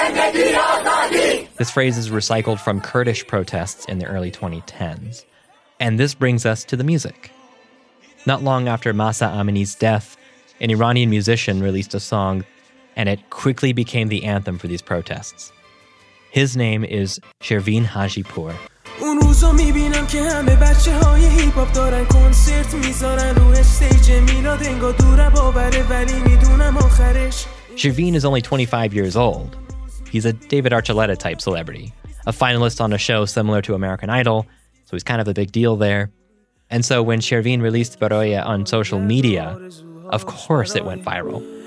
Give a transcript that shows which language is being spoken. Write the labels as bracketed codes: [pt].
[en] This phrase is recycled from Kurdish protests in the early 2010s. And this brings us to the music. Not long after Mahsa Amini's death, an Iranian musician released a song, and it quickly became the anthem for these protests. His name is Shervin Hajipour. [fa] اون روزا میبینم که همه بچه های هیپ هاپ دارن کنسرت میذارن رو استیج میلاد انگا دور باوره ولی میدونم آخرش. [en] Shervin is only 25 years old. He's a David Archuleta type celebrity, a finalist on a show similar to American Idol, so he's kind of a big deal there. And so when Shervin released Baroye on social media, of course it went viral.